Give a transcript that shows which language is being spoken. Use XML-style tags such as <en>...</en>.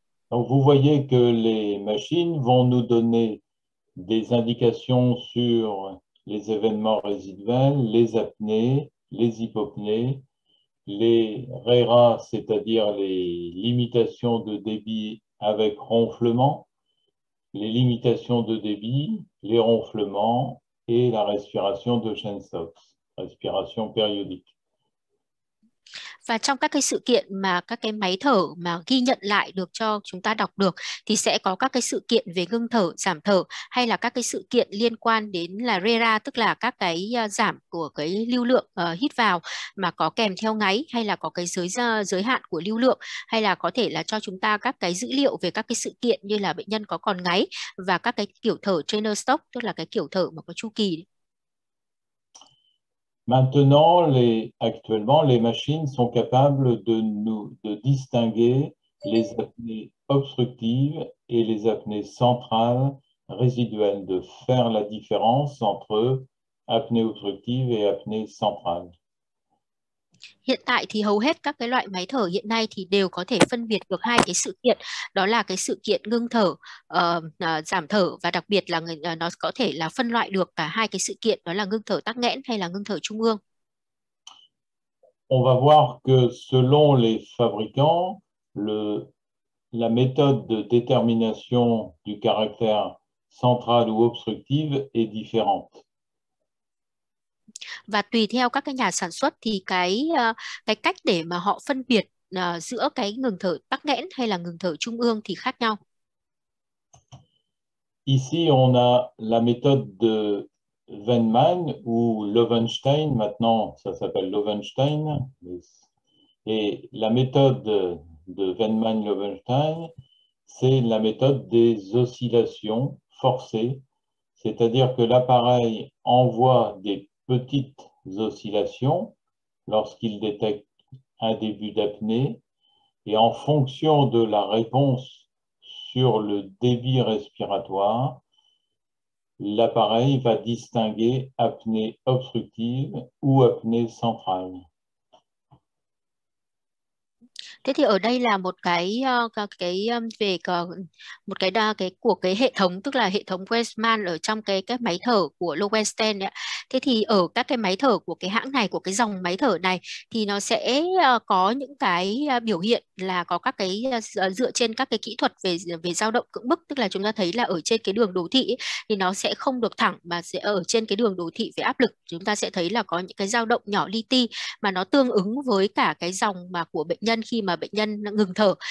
<fr>Donc vous voyez que les machines vont nous donner des indications sur les événements résiduels, les apnées, les hypopnées, les RERA, c'est-à-dire les limitations de débit avec ronflement, les limitations de débit, les ronflements et la respiration de Shenstocks, respiration périodique.</fr> <vi>Và trong các cái sự kiện mà các cái máy thở mà ghi nhận lại được cho chúng ta đọc được thì sẽ có các cái sự kiện về ngưng thở, giảm thở hay là các cái sự kiện liên quan đến là RERA, tức là các cái giảm của cái lưu lượng hít vào mà có kèm theo ngáy, hay là có cái giới hạn của lưu lượng, hay là có thể là cho chúng ta các cái dữ liệu về các cái sự kiện như là bệnh nhân có còn ngáy và các cái kiểu thở trainer stop, tức là cái kiểu thở mà có chu kỳ.</vi> <fr>Maintenant, actuellement, les machines sont capables de distinguer les apnées obstructives et les apnées centrales résiduelles, de faire la différence entre apnée obstructive et apnée centrale.</fr> <vi>Hiện tại thì hầu hết các cái loại máy thở hiện nay thì đều có thể phân biệt được hai cái sự kiện, đó là cái sự kiện ngưng thở, giảm thở, và đặc biệt là nó có thể là phân loại được cả hai cái sự kiện, đó là ngưng thở tắc nghẽn hay là ngưng thở trung ương.</vi> <fr>On va voir que selon les fabricants, La méthode de détermination du caractère central ou obstructif est différente.</fr> <vi>Và tùy theo các cái nhà sản xuất thì cái cách để mà họ phân biệt giữa cái ngừng thở tắc nghẽn hay là ngừng thở trung ương thì khác nhau.</vi> <fr>Ici, on a la méthode de Venman ou Löwenstein, maintenant ça s'appelle Löwenstein, et la méthode de Venman-Löwenstein, c'est la méthode des oscillations forcées, c'est-à-dire que l'appareil envoie des petites oscillations lorsqu'il détecte un début d'apnée, et en fonction de la réponse sur le débit respiratoire, l'appareil va distinguer apnée obstructive ou apnée centrale.</fr> <vi>Thế thì ở đây là một cái về một cái đa cái của cái hệ thống, tức là hệ thống Westman ở trong cái máy thở của Lowenstein ấy. Thế thì ở các cái máy thở của cái hãng này, của cái dòng máy thở này, thì nó sẽ có những cái biểu hiện là có các cái dựa trên các cái kỹ thuật về về dao động cưỡng bức, tức là chúng ta thấy là ở trên cái đường đồ thị ấy, thì nó sẽ không được thẳng mà sẽ ở trên cái đường đồ thị về áp lực, chúng ta sẽ thấy là có những cái dao động nhỏ li ti mà nó tương ứng với cả cái dòng mà của bệnh nhân khi mà bệnh nhân ngừng thở.</vi>